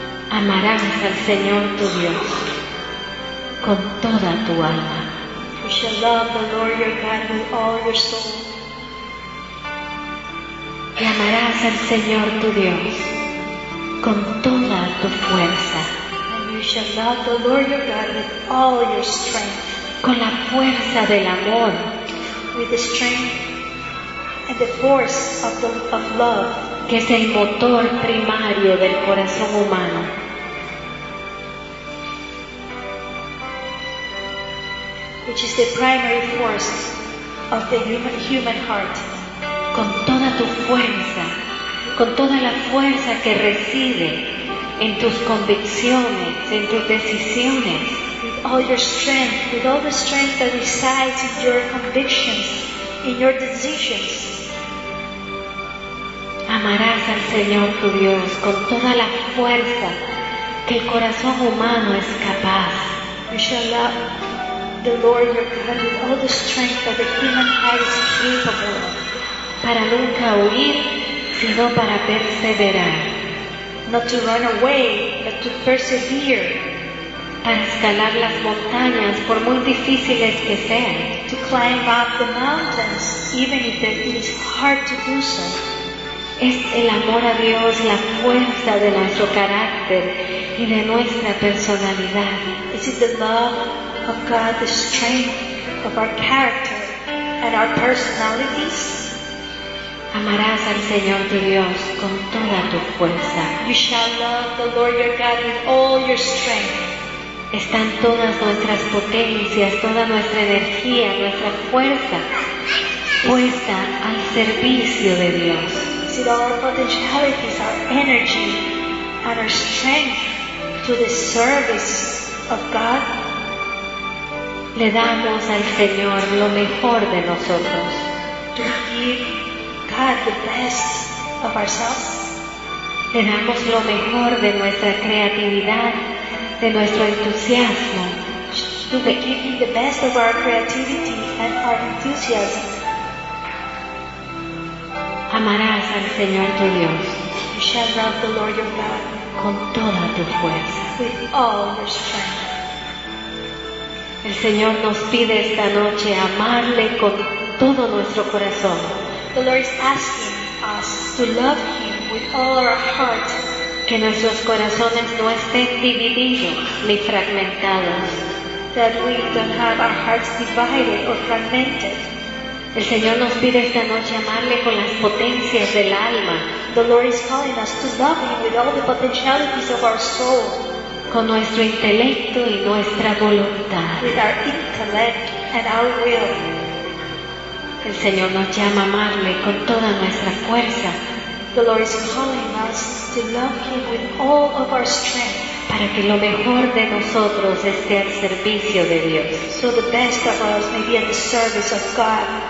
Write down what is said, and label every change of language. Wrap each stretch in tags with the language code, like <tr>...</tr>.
<es>Amarás al Señor tu Dios con toda tu alma.</es> <en>You shall love the Lord your God with all your soul.</en> <es>Y amarás al Señor tu Dios con toda tu fuerza.</es> <en>And you shall love the Lord your God with all your strength.</en> <es>Con la fuerza del amor.</es> <en>With the strength and the force of the of love.</en> <es>Que es el motor primario del corazón humano.</es> <en>Which is the primary force of the human heart.</en> <es>Con toda tu fuerza, con toda la fuerza que reside en tus convicciones, en tus decisiones.</es> <en>With all your strength, with all the strength that resides in your convictions, in your decisions.</en> <es>Amarás al Señor tu Dios con toda la fuerza que el corazón humano es capaz.</es> <en>You shall love the Lord your God with all the strength that the human heart is capable of.</en> <es>Para nunca huir, sino para perseverar.</es> <en>Not to run away, but to persevere.</en> <es>Para escalar las montañas, por muy difíciles que sean.</es> <en>To climb up the mountains, even if it is hard to do so.</en> <es>Es el amor a Dios la fuerza de nuestro carácter y de nuestra personalidad.</es> <en>Is it the love of God, the strength of our character and our personalities?</en> <es>Amarás al Señor tu Dios con toda tu fuerza.</es> <en>You shall love the Lord your God with all your strength.</en> <es>Están todas nuestras potencias, toda nuestra energía, nuestra fuerza puesta al servicio de Dios.</es> <en>See, all our potentialities, our energy, and our strength to the service of God.</en> <es>Le damos al Señor lo mejor de nosotros.</es> <en>To give God the best of ourselves.</en> <es>Le damos lo mejor de nuestra creatividad, de nuestro entusiasmo.</es> <en>To give the best of our creativity and our enthusiasm.</en> <es>Amarás al Señor tu Dios.</es> <en>You shall love the Lord your God.</en> <es>Con toda tu fuerza.</es> <en>With all your strength.</en> <es>El Señor nos pide esta noche amarle con todo nuestro corazón.</es> <en>The Lord is asking us to love Him with all our heart.</en> <es>Que nuestros corazones no estén divididos ni fragmentados.</es> <en>That we don't have our hearts divided or fragmented.</en> <es>El Señor nos pide esta noche amarle con las potencias del alma.</es> <en>The Lord is calling us to love Him with all the potentialities of our soul.</en> <es>Con nuestro intelecto y nuestra voluntad.</es> <en>With our intellect and our will.</en> <es>El Señor nos llama a amarle con toda nuestra fuerza.</es> <en>The Lord is calling us to love Him with all of our strength.</en> <es>Para que lo mejor de nosotros esté al servicio de Dios.</es> <en>So the best of us may be at the service of God.</en>